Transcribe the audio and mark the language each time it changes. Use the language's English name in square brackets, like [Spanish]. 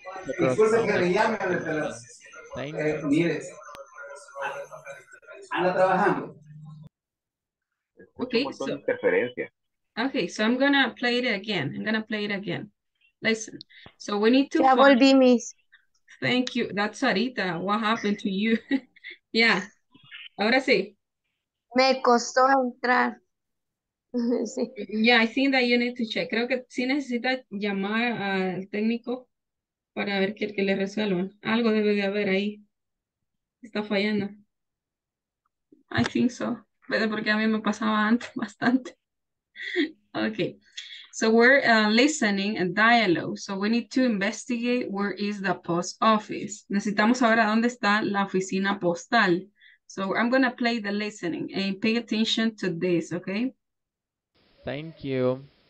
[English] Okay, so I'm gonna play it again. Listen, so we need to thank you. That's Sarita. What happened to you? [Spanish] Yeah, ahora sí. Me costó entrar. Sí. [English] Yeah, I think that you need to check. [Spanish] Creo que sí necesita llamar al técnico para ver que le resuelvan. Algo debe de haber ahí. Está fallando. [English] I think so. [Spanish] Pero porque a mí me pasaba antes bastante. Okay. [English] So we're listening a dialogue. So we need to investigate where is the post office. Necesitamos saber a dónde está la oficina postal. So I'm going to play the listening and pay attention to this, okay? Thank you.